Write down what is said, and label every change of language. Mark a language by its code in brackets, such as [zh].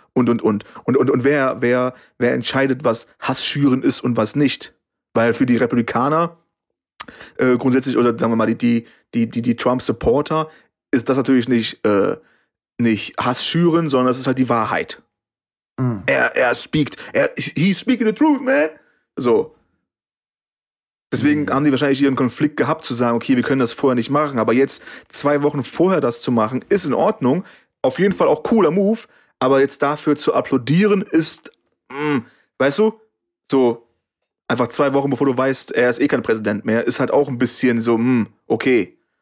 [de] Und wer entscheidet, was Hass schüren ist und was nicht? Weil für die Republikaner grundsätzlich, oder sagen wir mal, die Trump-Supporter, ist das natürlich nicht Hass schüren, sondern das ist halt die Wahrheit. Mhm. [en] He's speaking the truth, man. [de] So. Deswegen haben die wahrscheinlich ihren Konflikt gehabt, zu sagen, okay, wir können das vorher nicht machen. Aber jetzt zwei Wochen vorher das zu machen, ist in Ordnung. Auf jeden Fall auch cooler Move. Aber jetzt dafür zu applaudieren ist, weißt du, so einfach zwei Wochen, bevor du weißt, er ist eh kein Präsident mehr, ist halt auch ein bisschen so, okay.